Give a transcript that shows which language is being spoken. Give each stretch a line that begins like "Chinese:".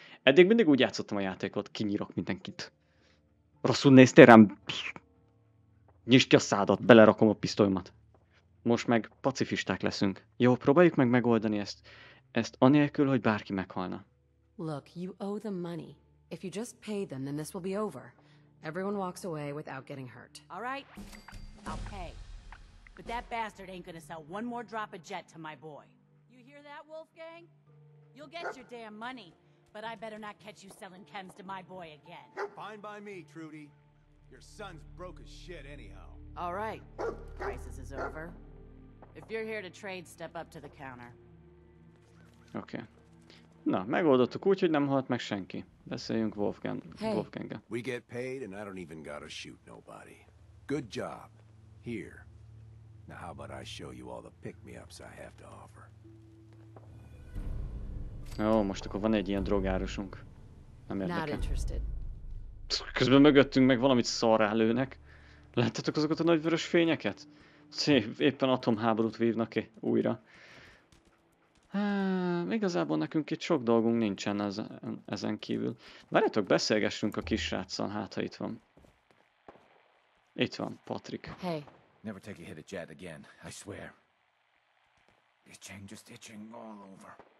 Hungarian: Eddig mindig úgy játszottam a játékot, kinyírok mindenkit. Rosszul néztél rám? Nyisd ki a szádat, belerakom a pisztolymat. Most meg pacifisták leszünk. Jó, próbáljuk meg megoldani ezt anélkül, hogy bárki meghalna.
English: Look, you owe them money. If you just pay them, then this will be over. Everyone walks away without getting hurt. All right, I'll pay. But that bastard ain't gonna sell one more drop of jet to my boy. You hear that, Wolfgang? You'll get your damn money, but I better not catch you selling chems to my boy again. Fine by me, Trudy. Your son's broke as shit anyhow. All right, crisis is over. If you're here to trade, step up to the counter. Okay.
Hungarian: Na, megoldottuk úgy, hogy nem halt meg senki. Beszéljünk Wolfgang-gel.
English: We get paid and I don't even gotta shoot nobody. Good job. Here. Now how about I show you all the pick-me-ups I have to offer?
Hungarian: Ó, most akkor van egy ilyen drogárosunk. Nem érdekel.
English: Not interested.
Hungarian: Közben mögöttünk meg valamit szarrá lőnek. Láttatok azokat a nagy vörös fényeket? Szép, éppen atomháborút vívnak ki újra. Igazából nekünk itt sok dolgunk nincsen ezen kívül. Várjátok, beszélgessünk a kisráccal, hát ha itt van. Itt van, Patrick.
English: Hey. Never take a hit at Jed again, I swear. Itching, just itching all over.